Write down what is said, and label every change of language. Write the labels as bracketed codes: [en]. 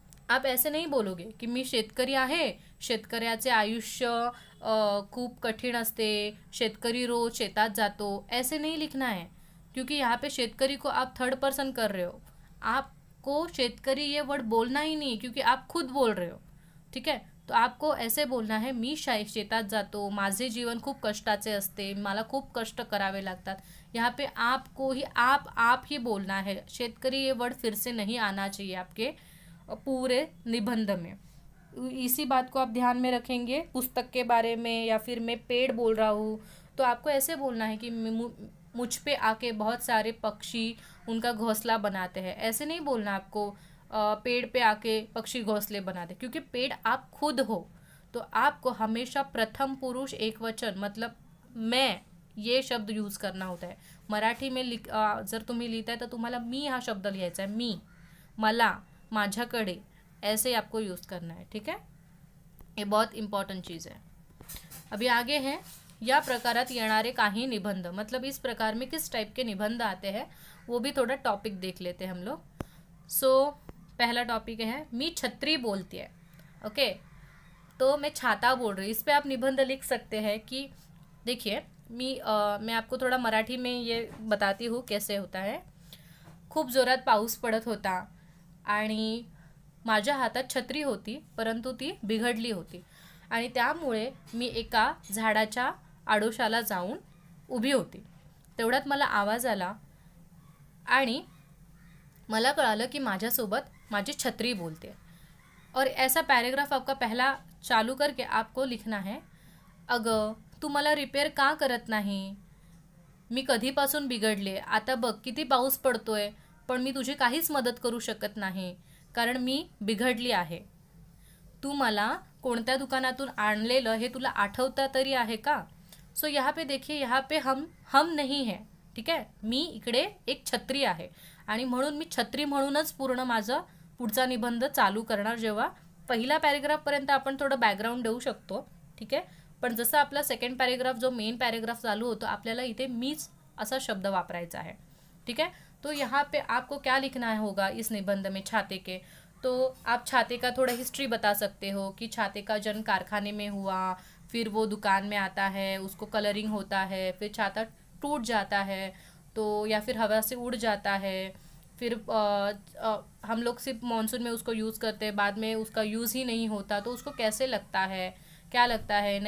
[hi] आप ऐसे नहीं बोलोगे कि [mr] मी शेतकरी आहे, शेतकऱ्याचे आयुष्य खूप कठीण असते, शेतकरी रोज शेतात जातो, [hi] ऐसे नहीं लिखना है। क्योंकि यहाँ पे शेतकरी को आप थर्ड पर्सन कर रहे हो, आपको शेतकरी ये वर्ड बोलना ही नहीं, क्योंकि आप खुद बोल रहे हो। ठीक है, तो आपको ऐसे बोलना है, [mr] मी शेतात जातो, माझे जीवन खूप कष्टाचे असते, मला खूप कष्ट करावे लागतात। [hi] यहाँ पे आपको ही आप ही बोलना है, शेतकरी ये वर्ड फिर से नहीं आना चाहिए आपके पूरे निबंध में। इसी बात को आप ध्यान में रखेंगे पुस्तक के बारे में, या फिर मैं पेड़ बोल रहा हूँ तो आपको ऐसे बोलना है कि मुझ पे आके बहुत सारे पक्षी उनका घोंसला बनाते हैं। ऐसे नहीं बोलना आपको पेड़ पे आके पक्षी घोंसले बनाते, क्योंकि पेड़ आप खुद हो। तो आपको हमेशा प्रथम पुरुष एकवचन, मतलब मैं, ये शब्द यूज करना होता है मराठी में। [mr] जर तुम्ही लिहिता है तो तुम्हाला मी हा शब्द लिहायचा आहे, मी, मला, माझ्याकडे, [hi] ऐसे ही आपको यूज करना है। ठीक है, ये बहुत इम्पॉर्टेंट चीज है। अभी आगे हैं, [mr] या प्रकारात येणारे काही निबंध, [hi] मतलब इस प्रकार में किस टाइप के निबंध आते हैं वो भी थोड़ा टॉपिक देख लेते हैं हम लोग। पहला टॉपिक है मी छतरी बोलती है। ओके, तो मैं छाता बोल रही हूँ, इस पे आप निबंध लिख सकते हैं कि देखिए मैं आपको थोड़ा मराठी में ये बताती हूँ कैसे होता है। [mr] खूप जोरात पाऊस पडत होता आणि माझ्या हातात छत्री होती, परंतु ती बिघडली होती आणि त्यामुळे मी एका झाडाच्या आडोशाला जाऊन उभी होती। तेवढ्यात मला आवाज आला आणि मला कळालं की माझ्यासोबत माझी छत्री बोलते। [hi] और ऐसा पॅरेग्राफ आपका पहला चालू करके आपको लिखना है, [mr] अगं तू मला रिपेअर का करत नाही, मी कधीपासून बिघडले, आता बघ किती पाऊस पडतोय पण मी तुझी काहीच मदत करू शकत नाही कारण मी बिघडली आहे। तू मला कोणत्या दुकानातून आणलेलं हे तुला आठवता तरी आहे का? [hi] यहाँ पे देखिए, यहाँ पे हम नहीं है, ठीक है, [mr] मी इकडे एक छत्री आहे आणि म्हणून मी छत्री म्हणूनच पूर्ण माझं पुढचा निबंध चालू करणार। जेव्हा पहिला पॅरेग्राफपर्यंत आपण थोडं बॅकग्राऊंड देऊ शकतो, ठीक आहे, पण जसं आपला सेकंड पॅरेग्राफ जो मेन पॅरेग्राफ चालू होतो, आपल्याला इथे मीच असा शब्द वापरायचा आहे। ठीक आहे, [hi] तो यहाँ पे आपको क्या लिखना है होगा इस निबंध में छाते के, तो आप छाते का थोड़ा हिस्ट्री बता सकते हो कि छाते का जन्म कारखाने में हुआ, फिर वो दुकान में आता है, उसको कलरिंग होता है, फिर छाता टूट जाता है तो, या फिर हवा से उड़ जाता है, फिर हम लोग सिर्फ मानसून में उसको यूज़ करते हैं, बाद में उसका यूज़ ही नहीं होता, तो उसको कैसे लगता है, क्या लगता है?